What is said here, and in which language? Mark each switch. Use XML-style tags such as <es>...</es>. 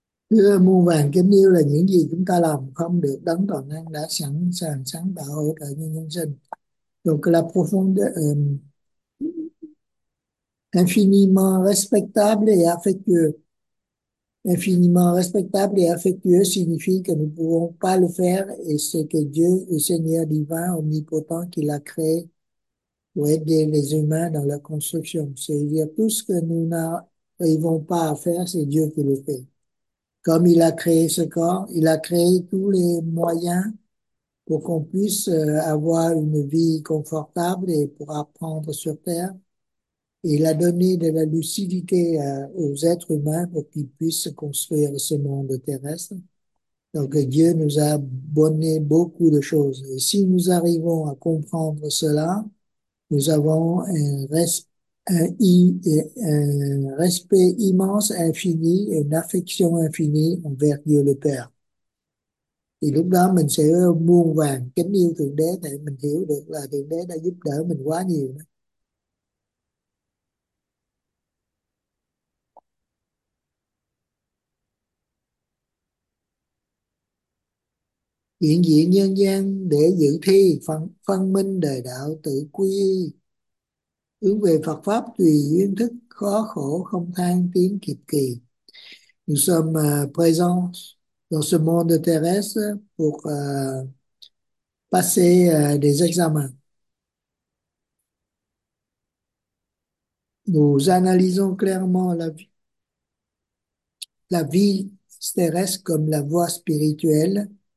<vi>Thưa muôn vàng kính yêu, là những gì chúng ta làm không được đấng toàn năng đã sẵn sàng sáng tạo hỗ trợ nhân nhân sinh.</vi> <fr>Donc la profonde infiniment respectable et affectueux. Infiniment respectable et affectueux signifie que nous ne pouvons pas le faire et c'est que Dieu, le Seigneur divin, omnipotent, qui l'a créé pour aider les humains dans leur construction. C'est-à-dire tout ce que nous n'arrivons pas à faire, c'est Dieu qui le fait. Comme il a créé ce corps, il a créé tous les moyens pour qu'on puisse avoir une vie confortable et pour apprendre sur Terre. Il a donné de la lucidité aux êtres humains pour qu'ils puissent construire ce monde terrestre. Donc Dieu nous a donné beaucoup de choses. Et si nous arrivons à comprendre cela, nous avons un respect immense, infini, et une affection infinie envers Dieu le Père.</fr> <vi>Et lúc đó mình sẽ muôn vàn kính yêu Thượng Đế, để mình hiểu được là Thượng Đế đã giúp đỡ mình quá nhiều. Hiện diện nhân gian để dự thi phân minh đời đạo, tự quy hướng về Phật pháp, tùy duyên thức khó khổ không than tiếng kịp kỳ.</vi> <fr>Nous sommes présents dans ce monde terrestre pour passer des examens. Nous analysons clairement la vie terrestre comme la voie spirituelle.</fr>